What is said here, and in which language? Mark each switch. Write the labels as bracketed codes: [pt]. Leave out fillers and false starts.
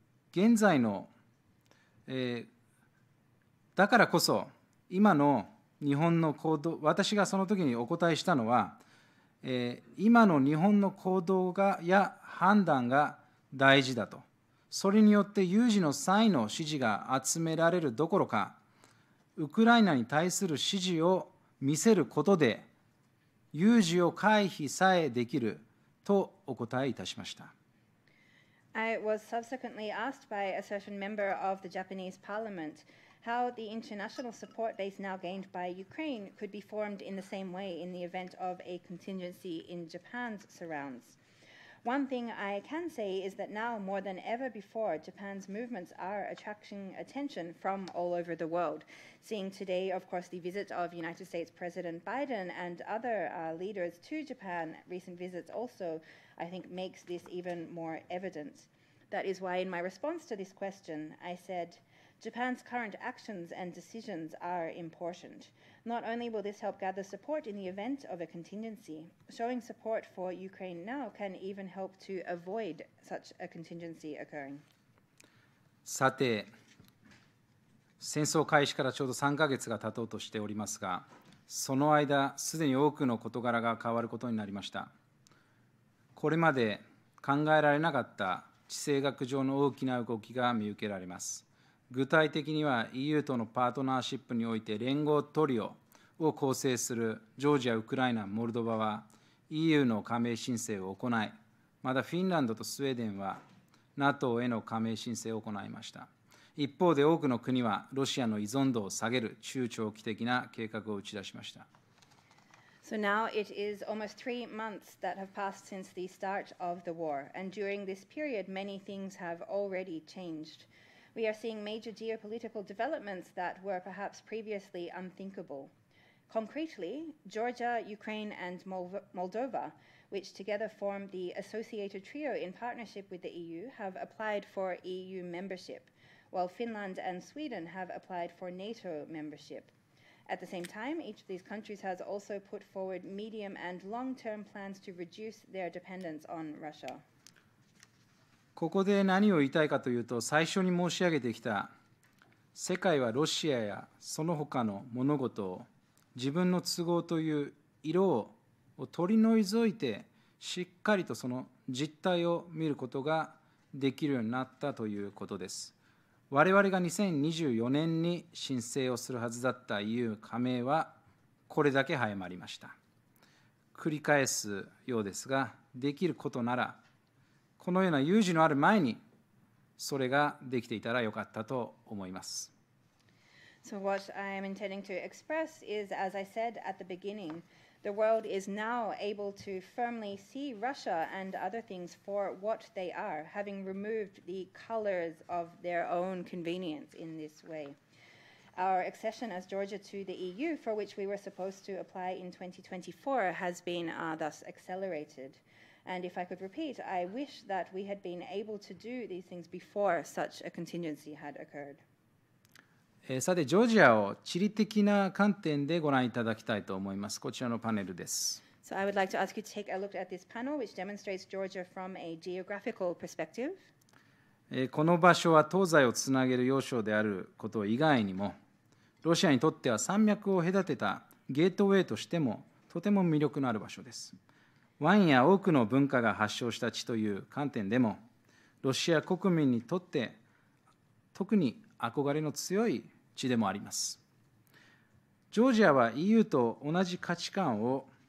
[ja] 現在の、だからこそ今の日本の行動、私がその時にお答えしたのは、今の日本の行動がや判断が大事だと。それによって有事の際の支持が集められるどころか、ウクライナに対する支持を見せることで、有事を回避さえできるとお答えいたしました。 [en] I was subsequently asked by a certain member of the Japanese Parliament how the international support base now gained by Ukraine could be formed in the same way in the event of a contingency in Japan's surrounds. One thing I can say is that now more than ever before, Japan's movements are attracting attention from all over the world. Seeing today, of course, the visit of United States President Biden and other leaders to Japan, recent visits also, I think makes this even more evident. That is why in my response to this question, I said, Japan's current actions and decisions are important. Not only will this help gather support in the event of a contingency, showing support for Ukraine now can even help to avoid such a contingency occurring. [ja] さて、戦争開始からちょうど3ヶ月が経とうとしておりますが、その間、すでに多くの事柄が変わることになりました。これまで考えられなかった地政学上の大きな動きが見受けられます。具体的には EU とのパートナーシップにおいて連合トリオを構成するジョージア、ウクライナ、モルドバは EU の加盟申請を行い、またフィンランドとスウェーデンは NATO への加盟申請を行いました。一方で多くの国はロシアの依存度を下げる中長期的な計画を打ち出しました。 [en] So now it is almost 3 months that have passed since the start of the war, and during this period many things have already changed. We are seeing major geopolitical developments that were perhaps previously unthinkable. Concretely, Georgia, Ukraine, and Moldova, which together form the associated trio in partnership with the EU, have applied for EU membership, while Finland and Sweden have applied for NATO membership. At the same time, each of these countries has also put forward medium and long-term plans to reduce their dependence on Russia. [ja] ここで何を言いたいかというと、最初に申し上げてきた、世界はロシアやその他の物事を自分の都合という色を取り除いて、しっかりとその実態を見ることができるようになったということです。我々が2024年に申請をするはずだった EU 加盟は、これだけ早まりました。繰り返すようですが、できることなら、このような有事のある前にそれができていたらよかったと思います。 [en] So what I am intending to express is, as I said at the beginning, the world is now able to firmly see Russia and other things for what they are, having removed the colors of their own convenience in this way. Our accession as Georgia to the EU, for which we were supposed to apply in 2024, has been thus accelerated. And if I could repeat, I wish that we had been able to do these things before such a contingency had occurred. [ja] さて、ジョージアを地理的な観点でご覧いただきたいと思います。こちらのパネルです。 [en] So I would like to ask you to take a look at this panel, which demonstrates Georgia from a geographical perspective. [ja] この場所は東西をつなげる要衝であること以外にも、ロシアにとっては山脈を隔てたゲートウェイとしてもとても魅力のある場所です。ワインや多くの文化が発祥した地という観点でも、ロシア国民にとって特に憧れの強い地でもあります。ジョージアは EU と同じ価値観を